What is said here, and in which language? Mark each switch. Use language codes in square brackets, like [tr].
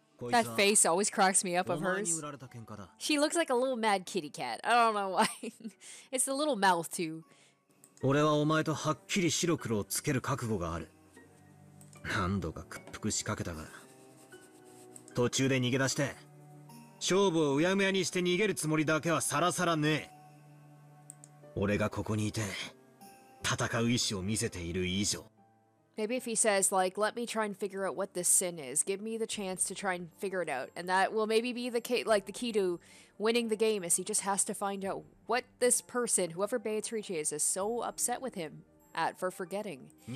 [en] That face always cracks me up of hers. She looks like a little mad kitty cat. I don't know why. It's the little mouth too. [ja] 俺はお前とはっきり白黒をつける覚悟がある。何度か屈服しかけたが、途中で逃げ出して、勝負をうやむやにして逃げるつもりだけはさらさらねえ。俺がここにいて、戦う意志を見せている以上。 [en] Maybe if he says, like, let me try and figure out what this sin is. Give me the chance to try and figure it out. And that will maybe be the key, like, the key to winning the game, is he just has to find out what this person, whoever Beatrice is so upset with him at for forgetting.